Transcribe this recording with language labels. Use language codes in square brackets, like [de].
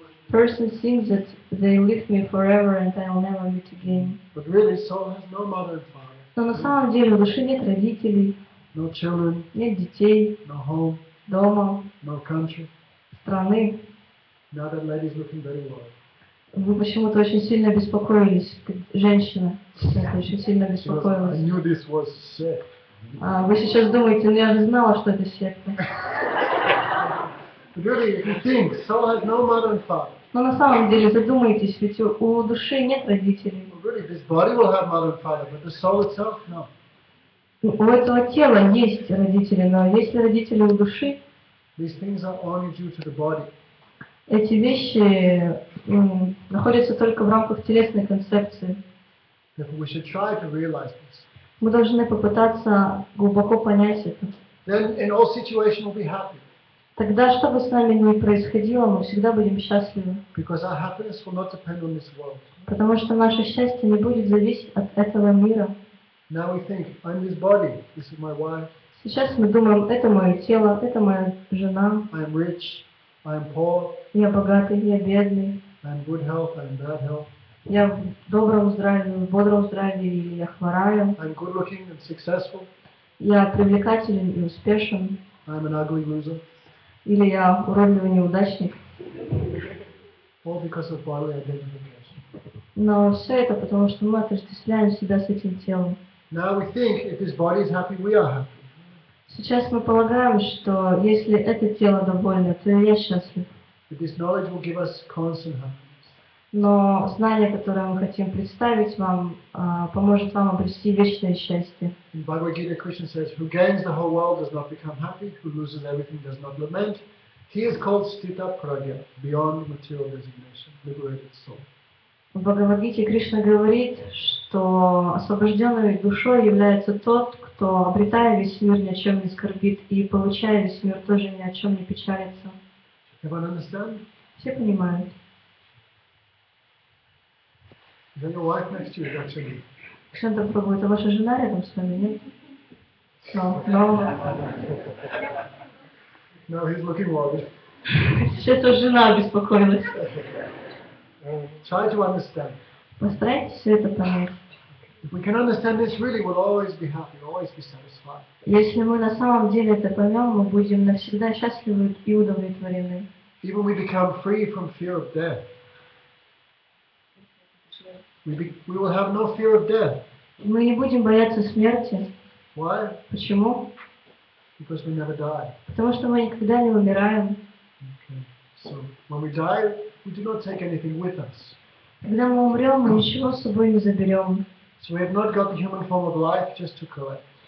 [en] Person thinks that they leave me forever and I will never meet again. But really, soul has no mother and father. [ru] Но на самом деле у души нет родителей. [en] No children. [ru] Нет детей. [en] No home. [ru] Дома. [en] No country. [ru] Страны. [en] Now that lady's looking very well. [ru] Вы почему-то очень сильно беспокоились, женщина. Очень сильно беспокоилась. [en] I knew this was sick. [ru] А вы сейчас думаете, ну я же знала, что это секта. [en] Really, if you think, soul has no mother and father. [ru] Но на самом деле задумайтесь, ведь у души нет родителей. [en] Well, really, this body will have mother and father, but the soul itself, no. [ru] У этого тела есть родители, но есть ли родители у души? [en] These things are only due to the body. [ru] Эти вещи находятся только в рамках телесной концепции. [en] We should try to realize this. [ru] Мы должны попытаться глубоко понять это. [en] Then in all situations we'll be happy. [ru] Тогда, что бы с нами ни происходило, мы всегда будем счастливы. [en] Because our happiness will not depend on this world. [ru] Потому что наше счастье не будет зависеть от этого мира. [en] Now we think, I'm this body. This is my wife. [ru] Сейчас мы думаем, это мое тело, это моя жена. [en] I'm rich. I am poor. [ru] Я богатый, я бедный. [en] I am good health, I am bad health. [ru] Я в добром здравии, в бодром здравии, я хвораю. [en] I am good looking and successful. [ru] Я привлекателен и успешен. [en] I am an ugly loser. [ru] Или я уродливый неудачник. [en] All because of bodily identification. [ru] Но все это потому, что мы отождествляем себя с этим телом. [en] Now we think if this body is happy, we are happy. [ru] Сейчас мы полагаем, что если это тело довольно, то и я счастлив. [en] But this knowledge will give us constant happiness. [ru] Но знание, которое мы хотим представить вам, поможет вам обрести вечное счастье. [en] In Bhagavad Gita, Krishna says, who gains the whole world does not become happy, who loses everything does not lament. He is called Stita Pragya, beyond material designation, liberated soul. [ru] В Бхагавад-гите Кришна говорит, что освобожденной душой является тот, кто кто обретает весь мир, ни о чем не скорбит, и получая весь мир, тоже ни о чем не печалится. [en] Everyone understand? [ru] Все понимают. [en] Is that your wife next to you, actually? [ru] Кшанта Прабху, это ваша жена рядом с вами, нет? [en] No, he's looking worried. [ru] Сейчас тоже жена обеспокоилась. [en] Try to understand. [ru] Постарайтесь это понять. [en] If we can understand this, really, we'll always be happy, always be satisfied. [ru] Если мы на самом деле это поймем, мы будем навсегда счастливы и удовлетворены. [en] Even we become free from fear of death. We will have no fear of death. [ru] Мы не будем бояться смерти. [en] Why? [ru] Почему? [en] Because we never die. [ru] Потому что мы никогда не умираем. [en] Okay. So when we die, we do not take anything with us. [ru] Когда мы умрем, мы ничего с собой не заберем. [en] So we have not got the human form of life just to collect.